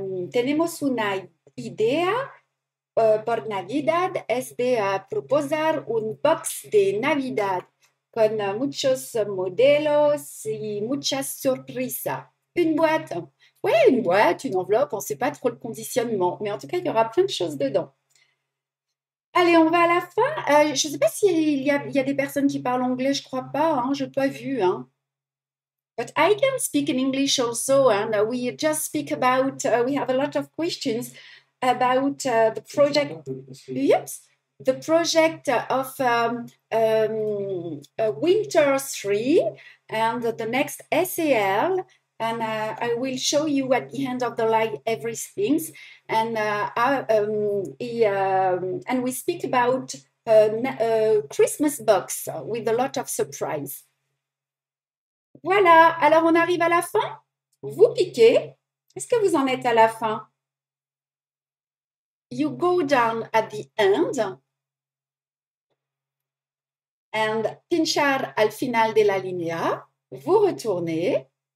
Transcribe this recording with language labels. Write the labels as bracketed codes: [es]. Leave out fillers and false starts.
[es] Tenemos una idea por Navidad es de proposar un box de Navidad con muchos modelos y muchas sorpresas. [fr] Une boîte. Oui, une boîte, une enveloppe, on ne sait pas trop le conditionnement, mais en tout cas, il y aura plein de choses dedans. Allez, on va à la fin. Je ne sais pas s'il y a des personnes qui parlent anglais, je ne crois pas, hein, je n'ai pas vu. Hein. [en] But I can speak in English also, and we just speak about, we have a lot of questions about the project. Yes, the project of Winter 3 and the next SAL, and I will show you at the end of the live everything, and we speak about a Christmas box with a lot of surprise. [fr] Voilà, alors on arrive à la fin. Vous piquez. Est-ce que vous en êtes à la fin? [en] You go down at the end. And [es] pinchar al final de la linea. [fr] Vous retournez.